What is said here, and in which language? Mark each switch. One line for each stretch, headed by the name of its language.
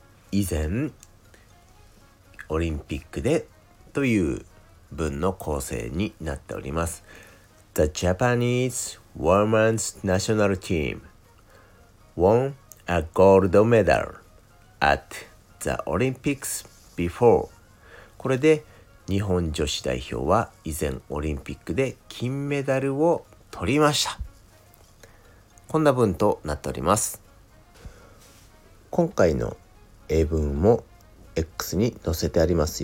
Japanese: 以前、オリンピックでという文の構成になっております。
English: The Japanese Women's National Team won a gold medal at the Olympics before.
Japanese: これで日本女子代表は以前オリンピックで金メダルを取りました。こんな文となっております。今回の英文も X に載せてあります。